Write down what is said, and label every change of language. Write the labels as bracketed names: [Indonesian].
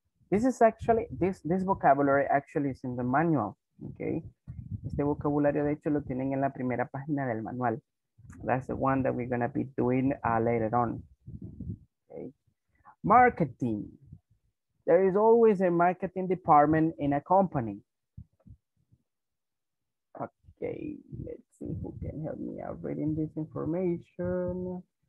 [English] This is actually, this vocabulary actually is in the manual. [Spanish] Okay, este vocabulario de hecho lo tienen en la primera página del manual. [English] That's the one that we're going to be doing later on. Okay. Marketing. There is always a marketing department in a company. Okay, let's see who can help me out reading this information.